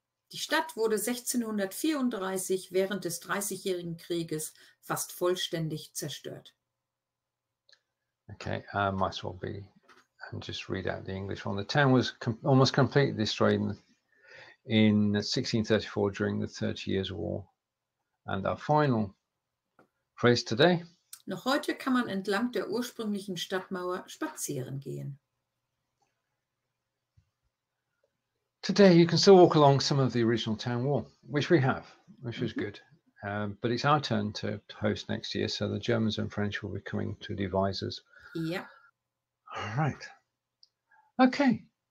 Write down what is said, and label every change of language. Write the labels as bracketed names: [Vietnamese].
[German] Die Stadt wurde 1634 während des Dreißigjährigen Krieges fast vollständig zerstört. [English] Okay, I might as well be and just read out the English one. The town was almost completely destroyed in 1634 during the 30 Years' War. And our final phrase today. [German] Noch heute kann man entlang der ursprünglichen Stadtmauer spazieren gehen. [English] Today you can still walk along some of the original town wall, which we have, which mm-hmm. is good. But it's our turn to host next year, so the Germans and French will be coming to Devizes. Yeah. All right. Okay.